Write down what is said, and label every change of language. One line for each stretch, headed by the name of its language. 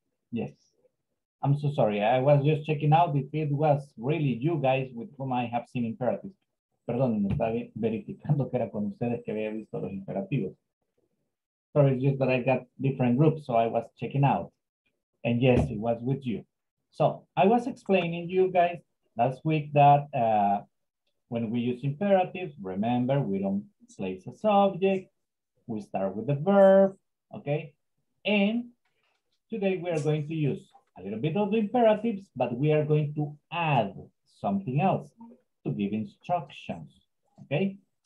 English: Yes. I'm so sorry. I was just checking out if it was really you guys with whom I have seen imperatives.
Spanish: Perdón, me estaba verificando que era con ustedes que había visto los imperativos.
English: Sorry, it's just that I got different groups, so I was checking out. And yes, it was with you. So I was explaining to you guys last week that when we use imperatives, remember, we don't place a subject. We start with the verb, okay? And today we are going to use a little bit of the imperatives, but we are going to add something else to give instructions, okay?